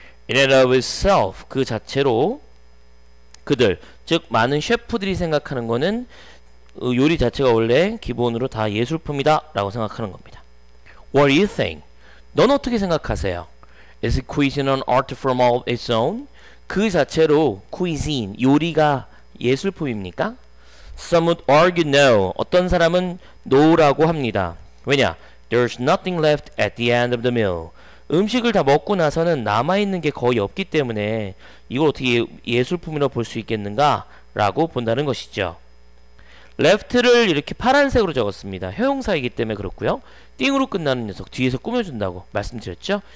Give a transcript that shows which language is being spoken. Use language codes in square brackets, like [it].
[en] In and of itself [ko] 그 자체로 그들 즉 많은 셰프들이 생각하는 거는 요리 자체가 원래 기본으로 다 예술품이다 라고 생각하는 겁니다. [en] What do you think? [ko] 넌 어떻게 생각하세요? [en] Is cuisine an art form of its own? [ko] 그 자체로 cuisine 요리가 예술품입니까? [en] Some would argue no. [ko] 어떤 사람은 no라고 합니다. 왜냐? [en] There's nothing left at the end of the meal. [ko] 음식을 다 먹고 나서는 남아있는 게 거의 없기 때문에 이걸 어떻게 예술품이라고 볼 수 있겠는가? 라고 본다는 것이죠. left를 이렇게 파란색으로 적었습니다. 형용사이기 때문에 그렇고요. 띵으로 끝나는 녀석 뒤에서 꾸며준다고 말씀드렸죠.